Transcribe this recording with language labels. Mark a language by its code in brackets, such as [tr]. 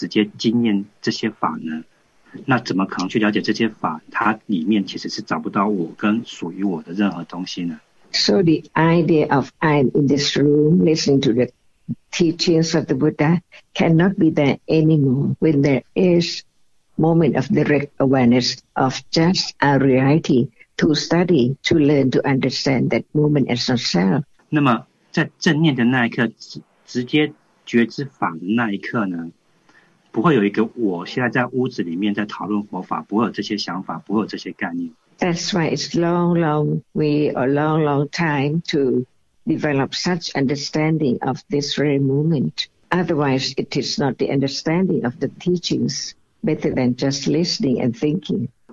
[zh] 那如果没有在理智上能够了解这些法的本质是什么，它的特征是什么，那么又怎么可能有因缘条件去直接经验这些法呢？那怎么可能去了解这些法，它里面其实是找不到我跟属于我的任何东西呢？ [en] So the idea of I'm in this room listening to the teachings of the Buddha cannot be there anymore when there is moment of direct awareness of just a reality to study, to learn, to understand that moment as yourself. [zh] 那么在正念的那一刻，直接觉知法的那一刻呢？不会有一个我现在在屋子里面在讨论佛法，不会有这些想法，不会有这些概念。 [en] That's why it's long way or long time to develop such understanding of this very moment. Otherwise, it is not the understanding of the teachings, better than just listening and thinking.